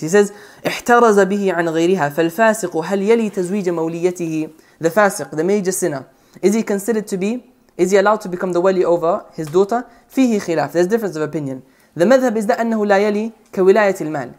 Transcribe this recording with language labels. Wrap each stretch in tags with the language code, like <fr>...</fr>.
<en>He says,</en> <ar>احترز به عن غيرها فالفاسق هل يلي تزويج موليته.</ar> <en>The fasiq, the major sinner. Is he allowed to become the wali over his daughter?</en> <ar>فيه خلاف.</ar> <en>There's difference of opinion. The madhab is that</en> <ar>أنه لا يلي كولاية المال.</ar>